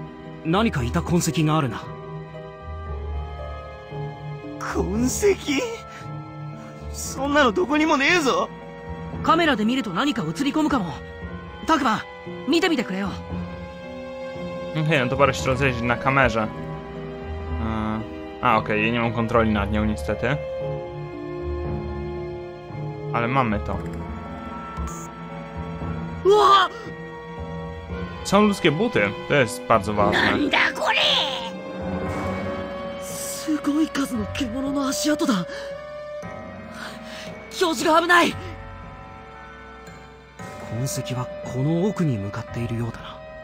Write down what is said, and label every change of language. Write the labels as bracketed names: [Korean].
[Japanese] この辺りに獣の匂いがするのよ。ただ、正確な位置までは掴めないわ。敵が潜んでいるっていうの？まだ敵か味方かはわからないわ。でも、この匂いのなし、かなり強い。この辺りに何かいた痕跡があるな。痕跡？そんなのどこにもねえぞ。カメラで見ると何か映り込むかも。タクマ、見てみてくれよ。 [Polish] Hej, no to parę się rozejrzeć na kamerze. Okej, ja nie mam kontroli nad nią niestety. Ale mamy to. Są ludzkie buty, to jest bardzo ważne. [Japanese] Nanda kore? すごい数の獣の足跡だ。教授が危ない。痕跡はこの奥に向かっているようだな。